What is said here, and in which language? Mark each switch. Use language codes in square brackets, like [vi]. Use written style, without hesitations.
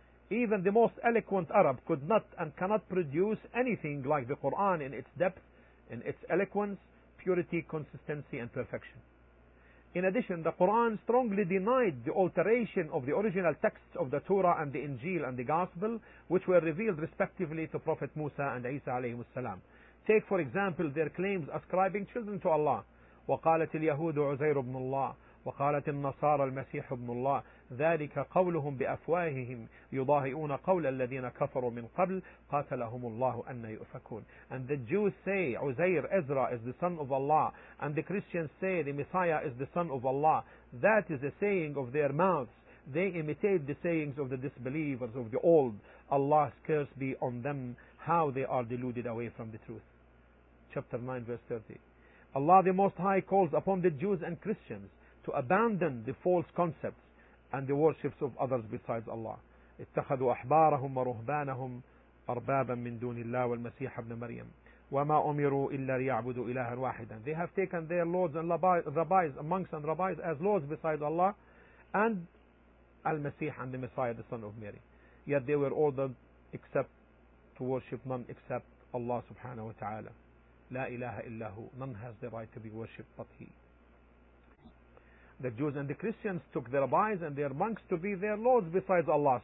[en] Even the most eloquent Arab could not and cannot produce anything like the Quran in its depth, in its eloquence, purity, consistency, and perfection. In addition, the Quran strongly denied the alteration of the original texts of the Torah and the Injil and the Gospel, which were revealed respectively to Prophet Musa and Isa alayhi salam. Take, for example, their claims ascribing children to Allah. [ar] وَقَالَتِ الْيَهُودُ عُزَيْرُ بْنُ اللَّهِ وقالت النصارى المسيح ابن الله ذلك قولهم بأفواههم يضاهئون قول الذين كفروا من قبل قاتلهم الله أن يؤفكون. [en] And the Jews say Uzair Ezra is the son of Allah, and the Christians say the Messiah is the son of Allah. That is a saying of their mouths. They imitate the sayings of the disbelievers of the old. Allah's curse be on them, how they are deluded away from the truth. Chapter 9 verse 30. Allah the Most High calls upon the Jews and Christians to abandon the false concepts and the worships of others besides Allah. [ar] اتخذوا أحبارهم ورهبانهم أربابا من دون الله والمسيح ابن مريم وما أمروا إلا ليعبدوا إلها واحدا. [en] They have taken their lords and rabbis, monks and rabbis, as lords besides Allah and Al-Masih and the Messiah, the son of Mary. Yet they were ordered except to worship none except Allah subhanahu wa ta'ala. [ar] لا إله إلا هو. [en] None has the right to be worshipped but He. The Jews and the Christians took their rabbis and their monks to be their lords besides Allah.